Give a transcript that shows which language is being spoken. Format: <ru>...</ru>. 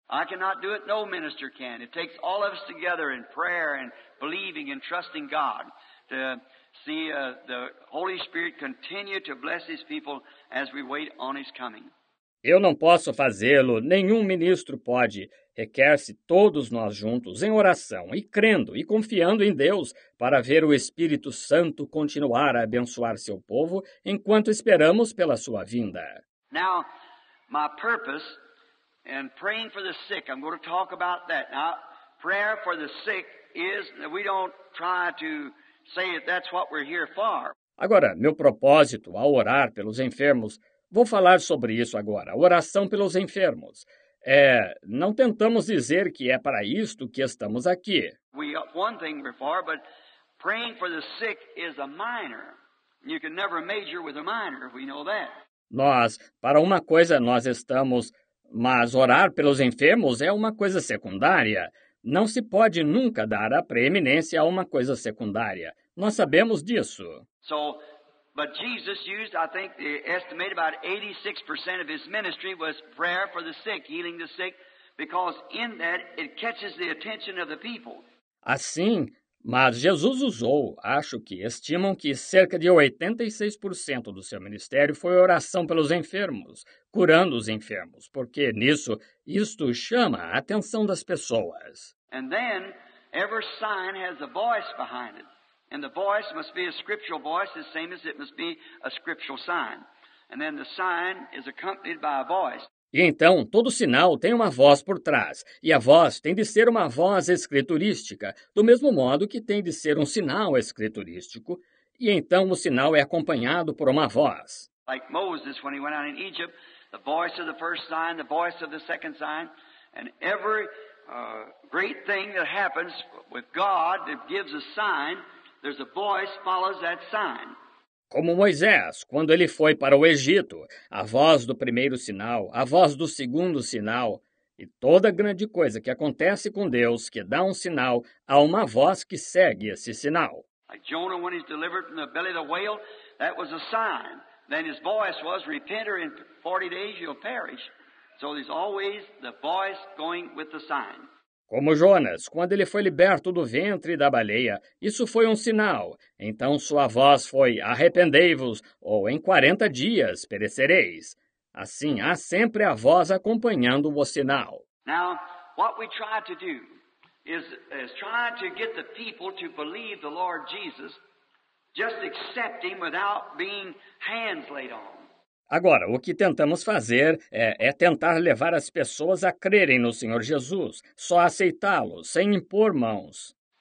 <en>I cannot do it, no minister can. It takes all of us together in prayer and believing and trusting God to see the Holy Spirit continue to bless his people as we wait on his coming.</en> <pt>Eu não posso fazê-lo, nenhum ministro pode. Requer-se todos nós juntos em oração e crendo e confiando em Deus para ver o Espírito Santo continuar a abençoar seu povo enquanto esperamos pela sua vinda.</pt> <en>Now, my purpose in praying for the sick, I'm going to talk about that. Now, prayer for the sick is that we don't try to say that that's what we're here for.</en> <pt>Agora, meu propósito ao orar pelos enfermos, vou falar sobre isso agora, a oração pelos enfermos. Não tentamos dizer que é para isto que estamos aqui.</pt> <en>One thing we're for, but praying for the sick is a minor. You can never major with a minor, we know that.</en> <pt>Nós, para uma coisa nós estamos, mas orar pelos enfermos é uma coisa secundária. Não se pode nunca dar a preeminência a uma coisa secundária. Nós sabemos disso.</pt> <en>So, but Jesus used, I think, the estimate about 86% of his ministry was prayer for the sick, healing the sick, because in that it catches the attention of the people.</en> <pt>Assim, mas Jesus usou, acho que estimam que cerca de 86% do seu ministério foi oração pelos enfermos, curando os enfermos, porque nisso, isto chama a atenção das pessoas.</pt> <en>And then, every sign has a voice behind it. And the voice must be a scriptural voice, the same as it must be a scriptural sign. And then the sign is accompanied by a voice.</en> <pt>E então, todo sinal tem uma voz por trás, e a voz tem de ser uma voz escriturística, do mesmo modo que tem de ser um sinal escriturístico, e então o sinal é acompanhado por uma voz.</pt> <en>Like Moses, when he went out in Egypt, the voice of the first sign, the voice of the second sign, and every great thing that happens with God that gives a sign, there's a voice follows that sign.</en> <pt>Como Moisés, quando ele foi para o Egito, a voz do primeiro sinal, a voz do segundo sinal, e toda grande coisa que acontece com Deus, que dá um sinal, há uma voz que segue esse sinal.</pt> <en>Like Jonah, when he's delivered from the belly of the whale, that was a sign. Then his voice was, repent or in 40 days you'll perish. So there's always the voice going with the sign.</en> <pt>Como Jonas, quando ele foi liberto do ventre da baleia, isso foi um sinal. Então sua voz foi, arrependei-vos, ou em 40 dias perecereis. Assim, há sempre a voz acompanhando o sinal.</pt> <en>Now, what we try to do is try to get the people to believe the Lord Jesus, just accept him without being hands laid on.</en> <pt>Agora, o que tentamos fazer é tentar levar as pessoas a crerem no Senhor Jesus, só aceitá-lo, sem impor mãos.</pt>